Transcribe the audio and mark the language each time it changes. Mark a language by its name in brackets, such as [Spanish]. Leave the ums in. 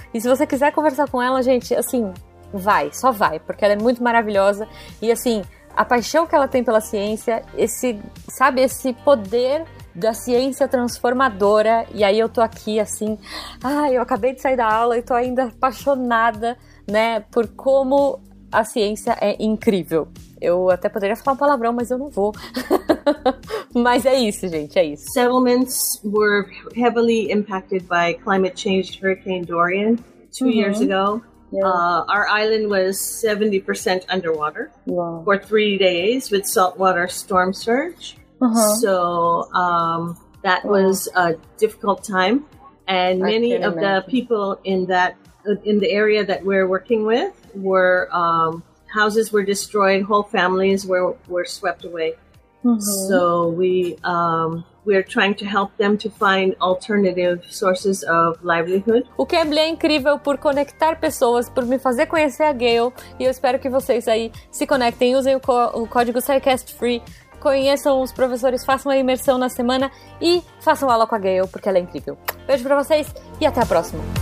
[Portuguese] E se você quiser conversar com ela, gente, assim. Vai, só vai, porque ela é muito maravilhosa e assim, a paixão que ela tem pela ciência, esse, sabe, esse poder da ciência transformadora. E aí eu tô aqui assim, ah, eu acabei de sair da aula e tô ainda apaixonada, né, por como a ciência é incrível. Eu até poderia falar um palavrão, mas eu não vou. mas é isso, gente, é isso. [English] Settlements were heavily impacted by climate change, Hurricane uhum. Dorian, two years ago. Uh, our island was 70% underwater wow. for three days with saltwater storm surge. Uh -huh. So um, that uh -huh. was a difficult time. And I many of the people in that in the area that we're working with were um, houses were destroyed, whole families were, were swept away. -huh. So we um, we're trying to help them to find alternative livelihood. [Portuguese] O Cambly é incrível por conectar pessoas, por me fazer conhecer a Gale, e eu espero que vocês aí se conectem, usem o, co o código SciCast Free, conheçam os professores, façam a imersão na semana e façam aula com a Gale, porque ela é incrível. Beijo pra vocês e até a próxima.